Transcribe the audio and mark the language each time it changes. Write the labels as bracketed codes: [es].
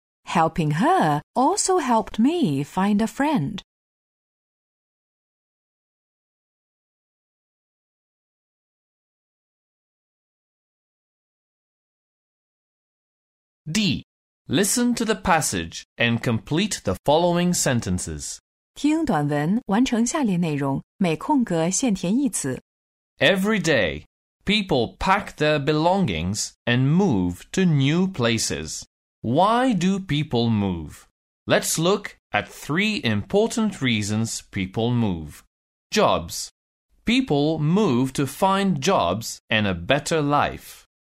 [en] Helping her also helped me find a friend. D. Listen to the passage and complete the following sentences. [zh] 听短文，完成下列内容，每空格限填一词。 [en] Every day, people pack their belongings and move to new places. Why do people move? Let's look at three important reasons people move. Jobs. People move to find jobs and a better life.